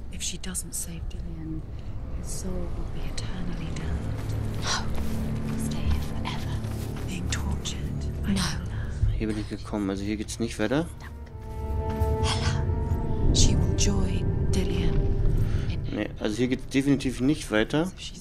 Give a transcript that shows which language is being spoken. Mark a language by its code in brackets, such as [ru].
[en] If she doesn't save Dillian, who soul will be eternally damned. No. Stay here forever, being tortured. No. [de] Hier bin ich gekommen, also hier geht's nicht weiter. [en] Hella, she will join Dillian. [de] Nee, also hier geht's definitiv nicht weiter.